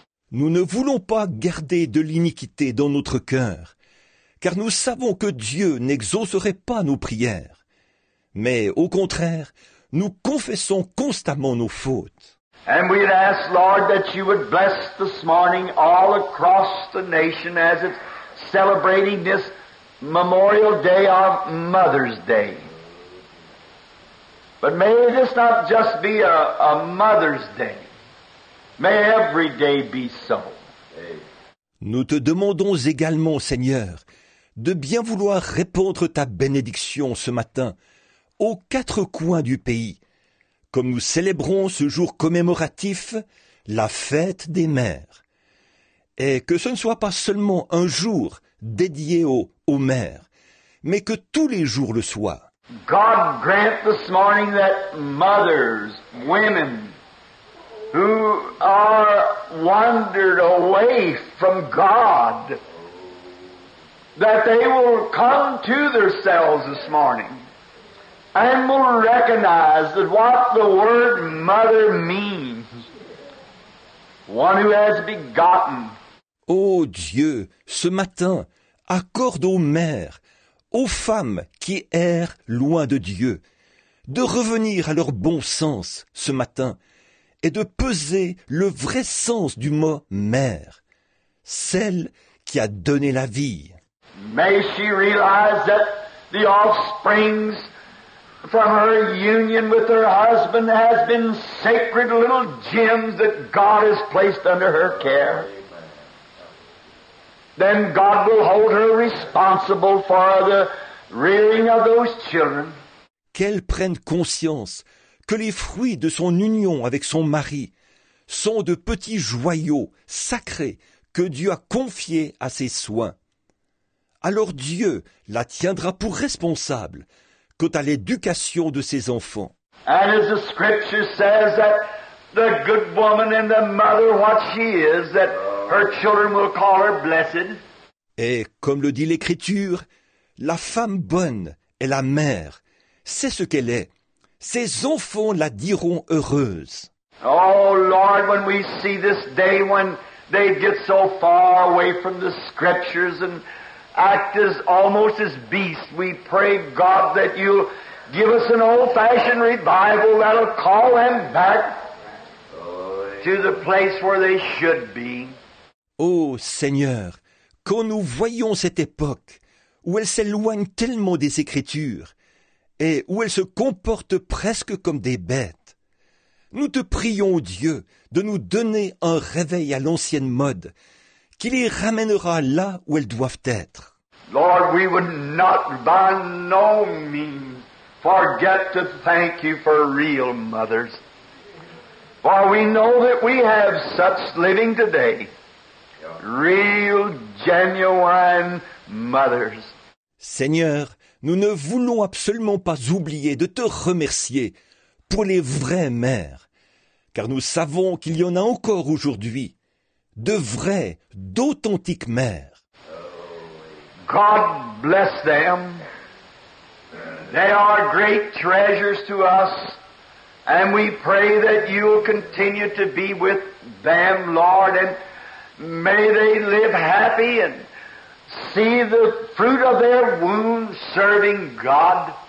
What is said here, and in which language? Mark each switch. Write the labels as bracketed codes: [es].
[fr] Nous ne voulons pas garder de l'iniquité dans notre cœur, car nous savons que Dieu n'exaucerait pas nos prières. Mais au contraire, nous confessons constamment nos fautes. [en] And we'd ask, Lord, that you would bless this morning all across the nation as it's celebrating this Memorial Day of Mother's Day. But may this not just be a Mother's Day. May every day be so. [fr] Nous te demandons également, Seigneur, de bien vouloir répandre ta bénédiction ce matin aux quatre coins du pays. Comme nous célébrons ce jour commémoratif, la fête des mères. Et que ce ne soit pas seulement un jour dédié aux mères, mais que tous les jours le soient. [en] God grant this morning that mothers, women, who are wandered away from God, that they will come to themselves this morning. And will recognize that what the word mother means, one who has begotten. [fr] Ô Dieu, ce matin, accorde aux mères, aux femmes qui errent loin de Dieu, de revenir à leur bon sens ce matin et de peser le vrai sens du mot mère, celle qui a donné la vie. [en] May she realize that the offspring from her union with her husband has been sacred little gems that God has placed under her care. Then God will hold her responsible for the rearing of those children. [fr] Qu'elle prenne conscience que les fruits de son union avec son mari sont de petits joyaux sacrés que Dieu a confiés à ses soins. Alors Dieu la tiendra pour responsable quant à l'éducation de ses enfants. [en] And as the scripture says that the good woman and the mother what she is, that her children will call her blessed. [fr] Et comme le dit l'Écriture, la femme bonne est la mère, c'est ce qu'elle est. Ses enfants la diront heureuse. [en] Oh Lord, when we see this day when they get so far away from the scriptures and act as almost as beasts, we pray God that you'll give us an old-fashioned revival that'll call them back to the place where they should be. [fr] Oh Seigneur, quand nous voyons cette époque où elle s'éloigne tellement des Écritures et où elle se comporte presque comme des bêtes, nous te prions, Dieu, de nous donner un réveil à l'ancienne mode qui les ramènera là où elles doivent être. [en] Lord, we would not by no means forget to thank you for real mothers. For we know that we have such living today. Real, genuine mothers. [fr] Seigneur, nous ne voulons absolument pas oublier de te remercier pour les vraies mères, car nous savons qu'il y en a encore aujourd'hui de vraies, d'authentiques mères. [en] God bless them. They are great treasures to us, and we pray that you will continue to be with them, Lord, and may they live happy and see the fruit of their womb serving God.